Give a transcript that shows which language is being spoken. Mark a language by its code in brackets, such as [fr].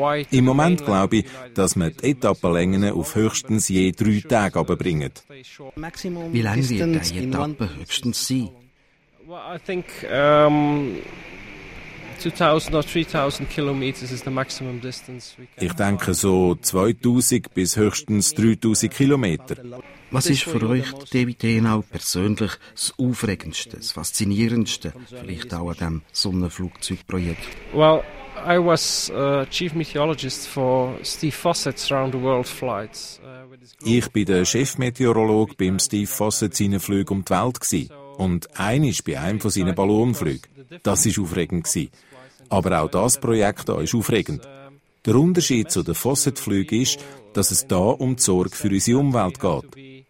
[de] Im Moment glaube ich, dass wir die Etappenlängen auf höchstens je 3 Tage runterbringen. Wie lange wird eine Etappe höchstens sein? [en] I think 2000 or 3000 kilometers is the maximum distance. [de] Ich denke so 2000 bis höchstens 3000 Kilometer. Was ist für euch, David Henao, persönlich das Aufregendste, das Faszinierendste, vielleicht auch an diesem Sonnenflugzeugprojekt? [en] Well, I was chief meteorologist for Steve Fossett's Round the World flights. [de] Ich bin der Chefmeteorologe beim Steve Fossett seinen Flügen um die Welt gsi. Und einmal bei einem von seinen Ballonflügen. Das war aufregend. Aber auch das Projekt hier ist aufregend. Der Unterschied zu den Fossett-Flügen ist, dass es hier um die Sorge für unsere Umwelt geht.